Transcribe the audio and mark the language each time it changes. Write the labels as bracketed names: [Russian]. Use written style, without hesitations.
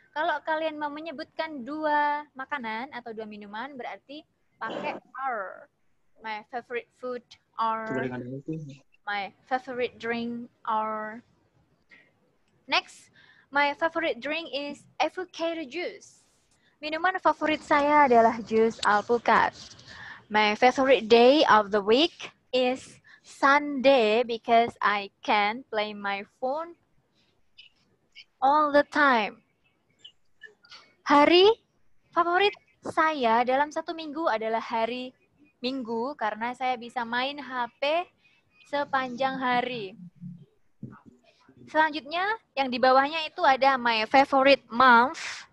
[Indonesian] Kalau kalian mau menyebutkan dua makanan atau dua minuman, berarti pakai are. [English] My favorite food are. My favorite drink are. Next, my favorite drink is avocado juice. [Indonesian] Minuman favorit saya adalah jus alpukat. [English] My favorite day of the week is Sunday because I can play my phone all the time. [Indonesian] Hari favorit saya dalam satu minggu adalah hari Minggu karena saya bisa main HP sepanjang hari. Selanjutnya, yang di bawahnya itu ada [English] my favorite month.